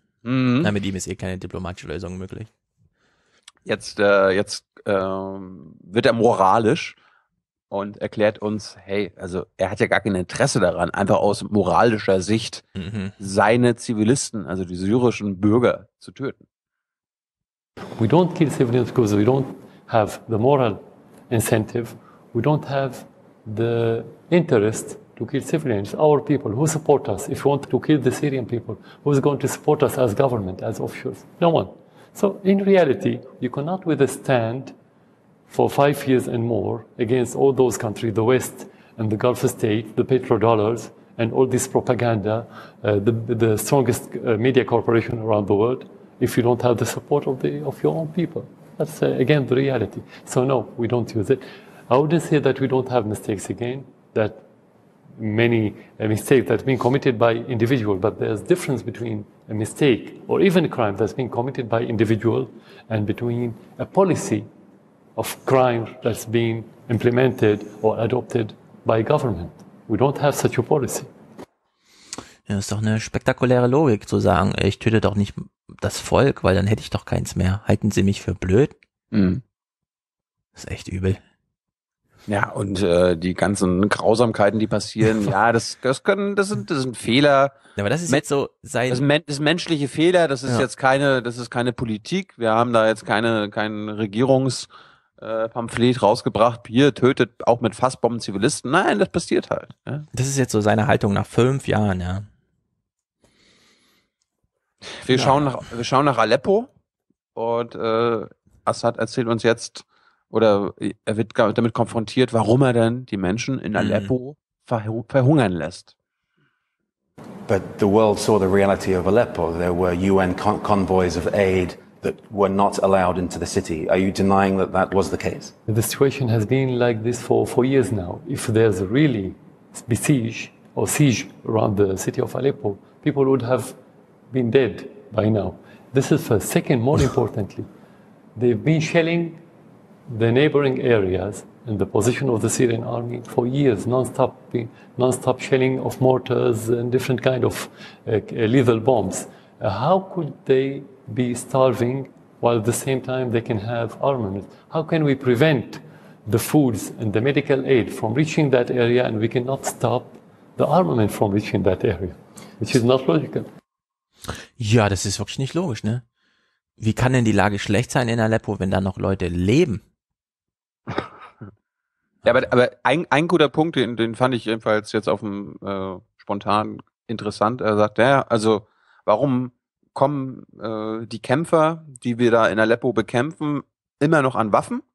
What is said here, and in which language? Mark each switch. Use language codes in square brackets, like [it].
[de] Na, mit ihm ist eh keine diplomatische Lösung möglich. Jetzt wird er moralisch und erklärt uns, hey, also er hat ja gar kein Interesse daran, einfach aus moralischer Sicht seine Zivilisten, also die syrischen Bürger, zu töten. [en] We don't kill civilians because we don't have the moral incentive. We don't have the interest to kill civilians, our people, who support us? If we want to kill the Syrian people, who's going to support us as government, as officials? No one. So in reality, you cannot withstand for 5 years and more against all those countries, the West and the Gulf state, the petrodollars, and all this propaganda, the strongest media corporation around the world, if you don't have the support of the of your own people. That's, again, the reality. So, no, we don't use it. I wouldn't say that we don't have mistakes again, that many mistakes that have been committed by individual, but there's difference between a mistake or even a crime that's been committed by individual and between a policy of crime that's been implemented or adopted by government. We don't have such a policy. [de] Ja, ist doch eine spektakuläre Logik zu sagen, ich töte doch nicht das Volk, weil dann hätte ich doch keins mehr. Halten Sie mich für blöd? Mm. Ist echt übel. Ja, und die ganzen Grausamkeiten, die passieren, ja, das sind Fehler. Ja, aber das ist jetzt so sein. Das ist menschliche Fehler, das ist ja. Jetzt keine, das ist keine Politik. Wir haben da jetzt kein Regierungspamphlet rausgebracht, hier tötet auch mit Fassbomben Zivilisten. Nein, das passiert halt. Ja. Das ist jetzt so seine Haltung nach 5 Jahren, ja. Wir schauen nach Aleppo und Assad erzählt uns jetzt. Oder er wird damit konfrontiert, warum er denn die Menschen in Aleppo verhungern lässt. [en] But the world saw the reality of Aleppo. There were UN convoys of aid that were not allowed into the city. Are you denying that that was the case? The situation has been like this for 4 years now. If there's really besiege or siege around the city of Aleppo, people would have been dead by now. This is first. Second, more importantly, they've been shelling the neighboring areas and the position of the Syrian army for years, non-stop shelling of mortars and different kind of lethal bombs. How could they be starving while at the same time they can have armaments? How can we prevent the foods and the medical aid from reaching that area and we cannot stop the armament from reaching that area, which is not logical. [de] Ja, das ist wirklich nicht logisch, ne? Wie kann denn die Lage schlecht sein in Aleppo, wenn da noch Leute leben? Ja, aber ein guter Punkt, den fand ich jedenfalls jetzt auf dem spontan interessant. Er sagt, ja, also warum kommen die Kämpfer, die wir da in Aleppo bekämpfen, immer noch an Waffen?